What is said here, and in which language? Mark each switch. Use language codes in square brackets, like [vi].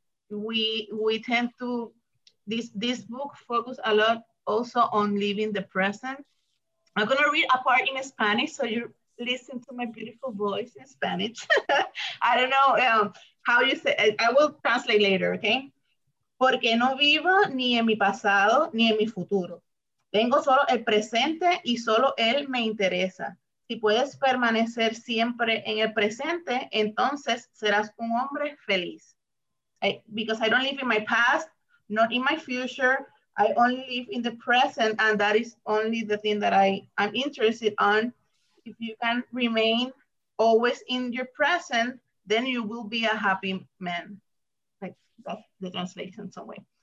[en] We tend to, this book focuses a lot also on living the present. I'm going to read a part in Spanish, so you listen to my beautiful voice in Spanish. I don't know how you say it. I will translate later, okay? [es] Porque no vivo ni en mi pasado ni en mi futuro. Tengo solo el presente y solo él me interesa. Si puedes permanecer siempre en el presente, entonces serás un hombre feliz. [en] Because I don't live in my past, not in my future. I only live in the present, and that is only the thing that I'm interested on. If you can remain always in your present, then you will be a happy man. Like, that's the translation some way.